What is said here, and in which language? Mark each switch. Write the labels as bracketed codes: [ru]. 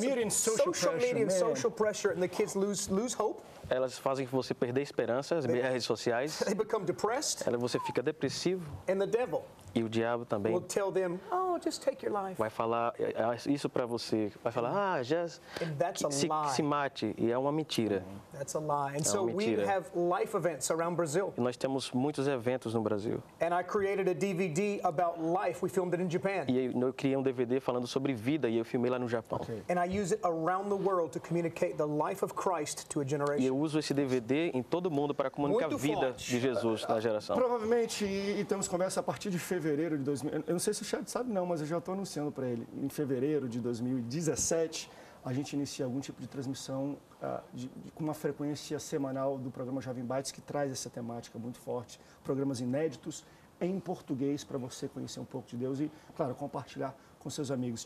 [en] Social media and social pressure, and the kids lose hope. [pt] Elas fazem você perder esperança, as redes sociais. [en] They become depressed. [pt] Você fica depressivo. [en] And the devil. [pt] E o diabo também. [en] Will tell them, oh, just take your life. [pt] Vai falar isso para você. Vai falar, ah, just se mate. E é uma mentira. [en] That's a lie. And so we have life events around Brazil. [pt] E nós temos muitos eventos no Brasil. [en] And I created a DVD about life. We filmed it in Japan. [pt] E eu criei um DVD falando sobre vida e eu filmei lá no Japão. [en] Okay. And I use it around the world to communicate the life of Christ to a generation. [pt] E eu uso esse DVD em todo mundo para comunicar muito a vida forte de Jesus na geração. Provavelmente, e temos começo a partir de fevereiro de 2000, eu não sei se o Chad sabe não, mas eu já estou anunciando para ele. Em fevereiro de 2017, a gente inicia algum tipo de transmissão com uma frequência semanal do programa Jovem Bytes, que traz essa temática muito forte, programas inéditos em português para você conhecer um pouco de Deus e, claro, compartilhar com seus amigos.